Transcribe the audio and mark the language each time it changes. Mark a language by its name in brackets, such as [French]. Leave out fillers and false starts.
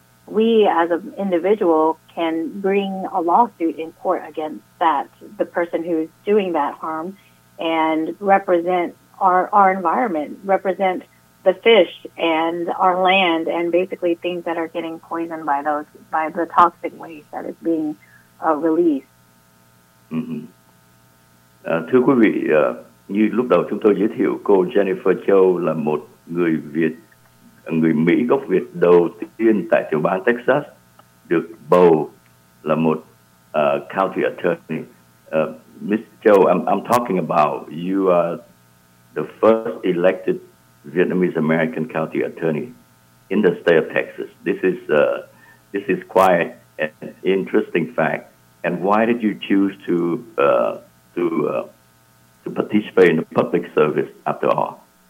[English] we as an individual can bring a lawsuit in court against that, the person who's doing that harm, and represent our environment, represent the fish and our land, and basically things that are getting poisoned by those, by the toxic waste that is being released. Mm-hmm. [Vietnamese] Thưa quý vị, như lúc đầu chúng tôi giới thiệu, cô Jennifer Châu là một người Việt, người Mỹ gốc Việt đầu tiên tại tiểu bang Texas được bầu là một county attorney. [English] Miss Châu, I'm talking about you are the first elected Vietnamese American county attorney in the state of Texas. This is quite an interesting fact. And why did you choose to participate in the public service after all?